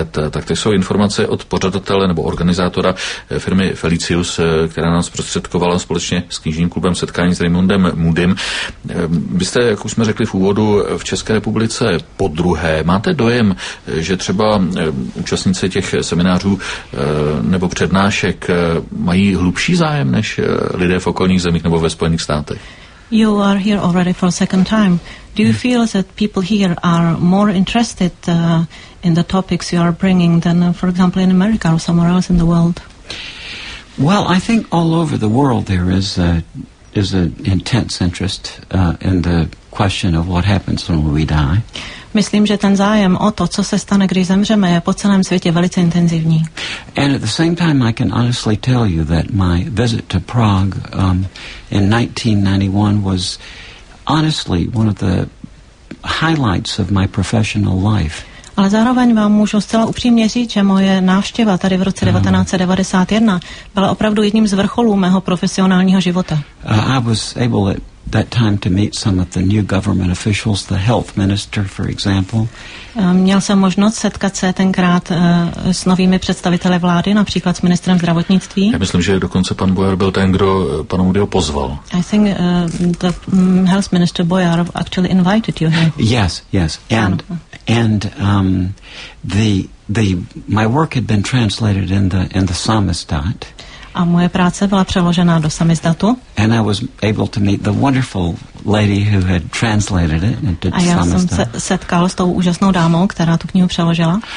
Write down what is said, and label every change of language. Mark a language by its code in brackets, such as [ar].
[cs] Tak to jsou informace od pořadatele nebo organizátora firmy Felicius, která nás prostředkovala společně s knižním klubem setkání s Raymondem Mudim. Vy jste, jak už jsme řekli v úvodu, v České republice podruhé. Máte dojem, že třeba účastníci těch seminářů nebo přednášek mají hlubší zájem než lidé v okolních zemích nebo ve Spojených státech? [en] You are here already for a second time. Do you feel that people here are more interested in the topics you are bringing than, for example, in America or somewhere else in the world? Well, I think all over the world there is an intense interest in the question of what happens when we die. [cs] Myslím, že ten zájem o to, co se stane, když zemřeme, je po celém světě velice intenzivní. [en] And at the same time, I can honestly tell you that my visit to Prague in 1991 was honestly one of the highlights of my professional life. [cs] Ale zároveň vám můžu zcela upřímně říct, že moje návštěva tady v roce 1991 byla opravdu jedním z vrcholů mého profesionálního života. [en] I was able at that time to meet some of the new government officials, the health minister, for example. [cs] Měl jsem možnost setkat se tenkrát s novými představiteli vlády, například s ministrem zdravotnictví. Já myslím, že dokonce pan Boyer byl ten, kdo panu Moodyho pozval. [en] I think the health minister Boyer actually invited you here. Yes, yes. And the my work had been translated in the Samizdat. [cs] A moje práce byla přeložena do samizdatu. [en] And I was able to meet the wonderful lady who had translated it into samizdat. [cs] A já jsem se setkal s tou úžasnou dámou, která tu knihu přeložila.